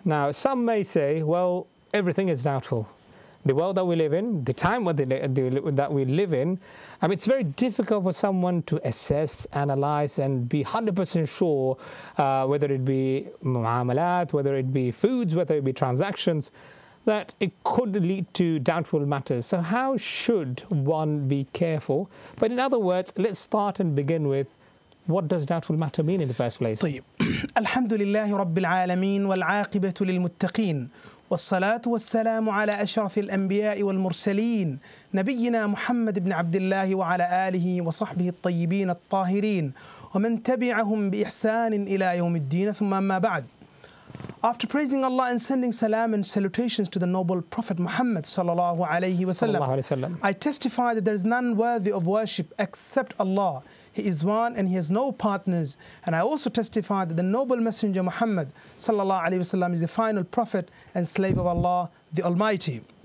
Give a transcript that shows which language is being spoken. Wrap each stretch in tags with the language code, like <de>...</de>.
<en>Now, some may say, well, everything is doubtful. The world that we live in, the time that we live in, I mean, it's very difficult for someone to assess, analyze, and be 100% sure whether it be mu'amalat, whether it be foods, whether it be transactions, that it could lead to doubtful matters. So how should one be careful? But in other words, let's start and begin with, what does doubtful matter mean in the first place?</en> <ar>Alhamdulillahi Rabbil Alameen, wal'aqibatu lil-muttaqeen. والصلاة والسلام على أشرف الأنبياء والمرسلين نبينا محمد بن عبد الله وعلى آله وصحبه الطيبين الطاهرين ومن تبعهم بإحسان إلى يوم الدين ثم ما بعد.</ar> <en>After praising Allah and sending salam and salutations to the noble Prophet Muhammad sallallahu alayhi wasallam, I testify that there is none worthy of worship except Allah. He is one and he has no partners. And I also testify that the noble messenger Muhammad sallallahu alayhi wasallam is the final prophet and slave of Allah, the Almighty.</en>